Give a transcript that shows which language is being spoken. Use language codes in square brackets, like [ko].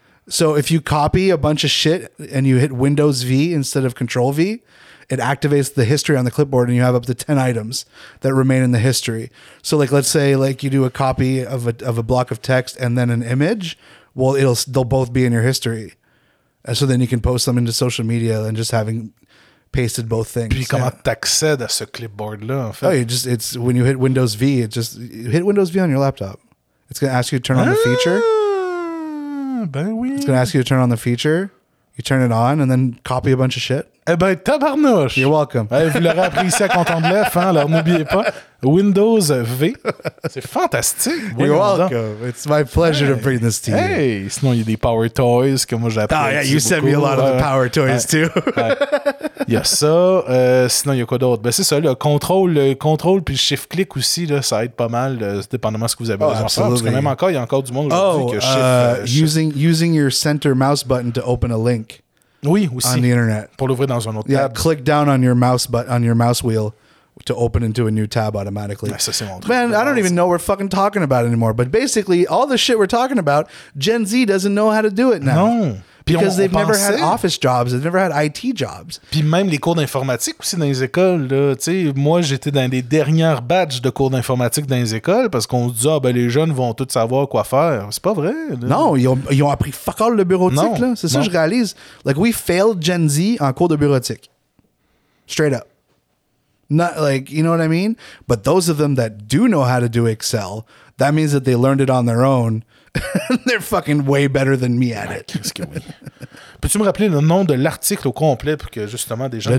[en] So if you copy a bunch of shit and you hit Windows V instead of Control V, it activates the history on the clipboard and you have up to 10 items that remain in the history. So like, let's say like you do a copy of a block of text and then an image. Well, they'll both be in your history. And so then you can post them into social media and just having pasted both things. [fr] Puis comment t'accèdes à ce clipboard là, en fait? [en] Oh, it's when you hit Windows V, you hit Windows V on your laptop. It's going to ask you to turn on the feature. [fr] Ben oui. [en] It's going to ask you to turn on the feature. You turn it on and then copy a bunch of shit. [fr] Eh ben, tabarnouche! [en] You're welcome. [fr] Eh, vous l'aurez appris ici à Content de l'EF, hein? Alors n'oubliez pas, Windows V. C'est fantastique. Oui, [en] you're welcome. [fr] Dedans. [en] It's my pleasure to bring this to you. [fr] Hey, sinon il y a des Power Toys que moi j'apprécie beaucoup. [en] Ah, yeah, you sent me a lot of the Power Toys too. [fr] Il y a ça. Sinon, il y a quoi d'autre? Ben, c'est ça, le contrôle puis le shift-click aussi, là, ça aide pas mal, dépendamment de ce que vous avez besoin. [en] Absolutely. [fr] Parce que même encore, il y a encore du monde aujourd'hui que shift... [en] Using your center mouse button to open a link. [fr] Oui, aussi. [en] On the internet. [fr] Pour l'ouvrir dans un autre [en] tab. Yeah, click down on your mouse button, on your mouse wheel to open into a new tab automatically. [fr] Ça, c'est mon truc. [en] Man, I don't even know what we're fucking talking about anymore. But basically, all the shit we're talking about, Gen Z doesn't know how to do it now. [fr] Non. [en] Because they've never had office jobs, they've never had IT jobs. [fr] Puis même les cours d'informatique aussi dans les écoles, là, tu sais, moi j'étais dans les dernières batches de cours d'informatique dans les écoles parce qu'on se dit, ah ben les jeunes vont tous savoir quoi faire. C'est pas vrai. Là. Non, ils ont appris [en] fuck all [fr] le bureautique, là. C'est ça que je réalise. [en] Like, we failed Gen Z [fr] en cours de bureautique. [en] Straight up. Not like, you know what I mean? But those of them that do know how to do Excel, that means that they learned it on their own. They're fucking way better than me at it. [fr] Qu'est-ce que oui. Peux-tu me rappeler le nom de l'article au complet pour que justement des gens